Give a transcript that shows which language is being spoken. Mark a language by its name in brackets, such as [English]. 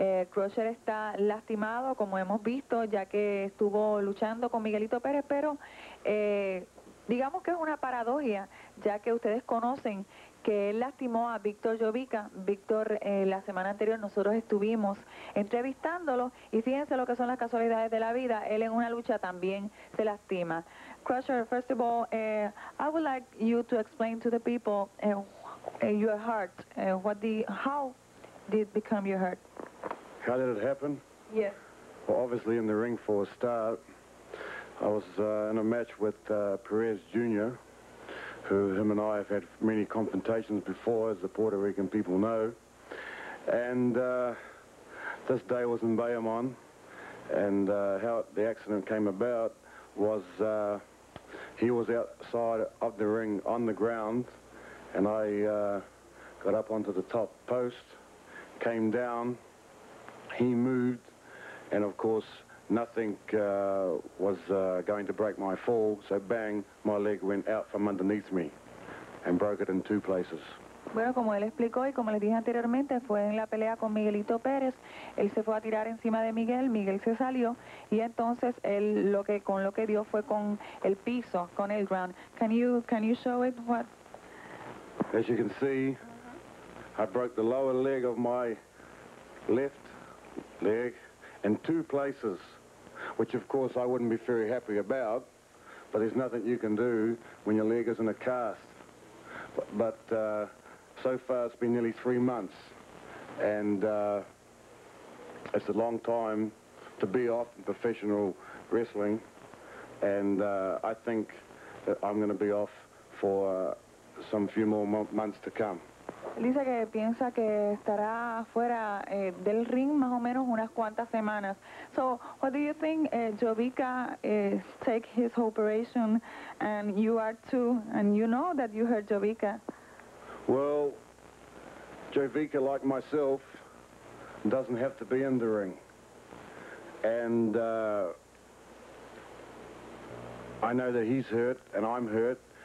[Spanish] Crusher está lastimado, como hemos visto, ya que estuvo luchando con Miguelito Pérez, pero digamos que es una paradoja, ya que ustedes conocen que él lastimó a Víctor Jovica. Víctor, la semana anterior nosotros estuvimos entrevistándolo, y fíjense lo que son las casualidades de la vida, él en una lucha también se lastima. [English] Crusher, first of all, I would like you to explain to the people your heart, how did it become your heart? How did it happen? Yes. Well, obviously in the ring for a start, I was in a match with Perez Jr., who him and I have had many confrontations before, as the Puerto Rican people know. And this day was in Bayamon, and how the accident came about was he was outside of the ring on the ground, and I got up onto the top post, came down, he moved, and of course nothing was going to break my fall, so bang, my leg went out from underneath me and broke it in two places. [Spanish] Bueno, como él explicó y como les dije anteriormente, fue en la pelea con Miguelito Pérez. Él se fue a tirar encima de Miguel, Miguel se salió, y entonces él lo que dio fue con el piso, con el ground. [English] Can you show it what? As you can see, I broke the lower leg of my left leg in two places, which of course I wouldn't be very happy about, but there's nothing you can do when your leg is in a cast. But so far it's been nearly 3 months, and it's a long time to be off in professional wrestling, and I think that I'm going to be off for some few more months to come. [Spanish] Dice que piensa que estará fuera del ring más o menos unas cuantas semanas. [English] So, what do you think, Jovica, take his operation, and you are too, and you know that you hurt Jovica? Well, Jovica, like myself, doesn't have to be in the ring. And I know that he's hurt, and I'm hurt.